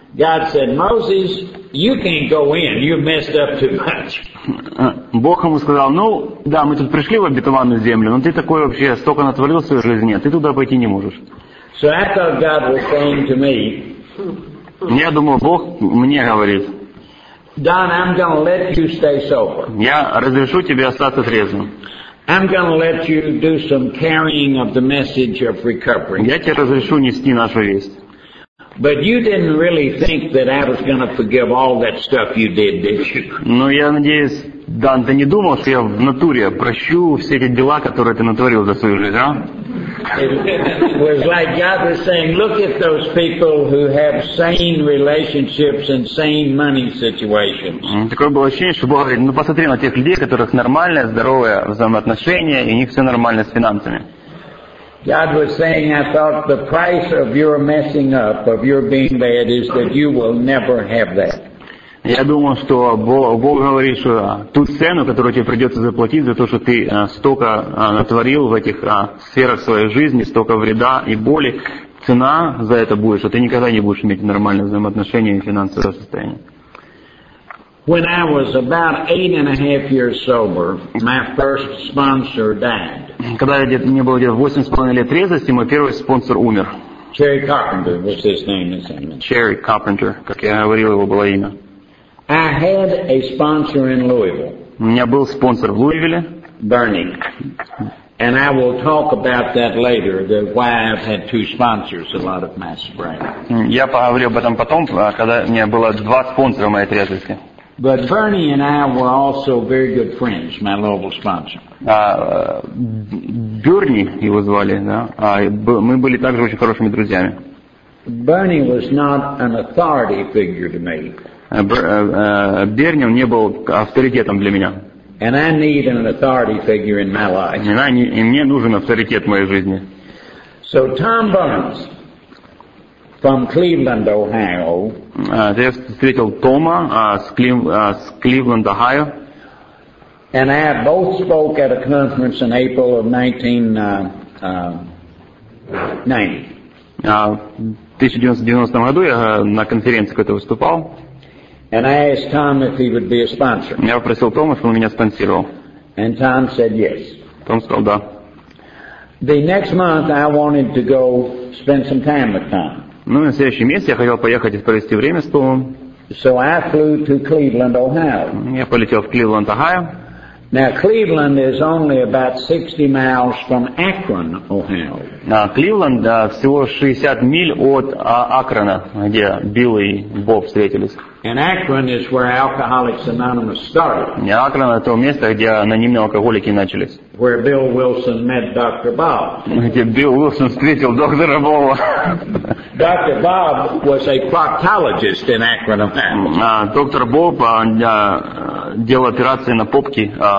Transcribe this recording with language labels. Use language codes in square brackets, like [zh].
[en] God said, Moses, you can't go in, you've messed up too much. [ru] Бог ему сказал, ну, да, мы тут пришли в обетованную землю, но ты такой вообще столько натворил в своей жизни, ты туда пойти не можешь. [en] So I thought God was saying to me. [ru] Я думал, Бог мне говорит. [en] Don, I'm going to let you stay sober. [ru] Я разрешу тебе остаться трезвым. [en] I'm going to let you do some carrying of the message of recovery. [ru] Я тебе разрешу нести нашу весть. [en] But you didn't really think that I was going to forgive all that stuff you did you? [ru] Ну, я надеюсь, Дан, ты не думал, что я в натуре прощу все эти дела, которые ты натворил за свою жизнь, а? [en] It was like God was saying, look at those people who have sane relationships and sane money situations. [ru] Такое было ощущение, что Бог говорит, ну, посмотри на тех людей, у которых нормальное, здоровое взаимоотношение, и у них все нормально с финансами. [en] God was saying, I thought the price of your messing up, of your being bad, is that you will never have that. [ru] Я думал, что Бог говорит, что ту цену, которую тебе придется заплатить за то, что ты столько натворил в этих сферах своей жизни, столько вреда и боли, цена за это будет, что ты никогда не будешь иметь нормальные взаимоотношения и финансовое состояние. [en] When I was about 8.5 years sober, my first sponsor died. [ru] Когда я мне было где-то 8.5 лет трезвости, мой первый спонсор умер. [en] Cherry Carpenter was his name, his name. [ru] Cherry Carpenter, как я говорил, его было имя. [en] I had a sponsor in Louisville. [ru] У меня был спонсор в Луивилле. [en] Bernie. And I will talk about that later, that why I've had two sponsors a lot of my spring. [ru] Я поговорю об этом потом, когда у меня было два спонсора в моей трезвости. [en] But Bernie and I were also very good friends, my Louisville sponsor. [ru] Бёрни его звали, да? Мы были также очень хорошими друзьями. [en] Bernie was not an authority figure to me. [ru] Бёрни не был авторитетом для меня. [en] And I need an authority figure in my life. [ru] И мне нужен авторитет в моей жизни. [en] So Tom Burns from Cleveland, Ohio. [ru] Я встретил Тома с Cleveland, Ohio. [en] And I both spoke at a conference in April of [ru] 1990. В 1990 году я на конференции какой-то выступал. [en] And I asked Tom if he would be a sponsor. [ru] Я попросил Тома, чтобы он меня спонсировал. [en] And Tom said yes. [ru] Том сказал да. [en] The next month I wanted to go spend some time with Tom. [ru] Ну, на следующий месяц я хотел поехать и провести время с Томом. [en] So I flew to Cleveland, Ohio. [ru] Я полетел в Кливленд, Огайо. [en] Now Cleveland is only about 60 miles from Akron, Ohio. Now [ru] Cleveland всего 60 миль от Акрона, где Билл и Боб встретились. [en] And Akron is where Alcoholics Anonymous started. [ru] И Акрон — это то место, где анонимные алкоголики начались. [en] Where Bill Wilson met Dr. Bob. [ru] Где Билл Уилсон встретил доктора Боба. [en] Dr. Bob was a proctologist in Akron, Ohio. [ru] Доктор Боб делал операции на попке.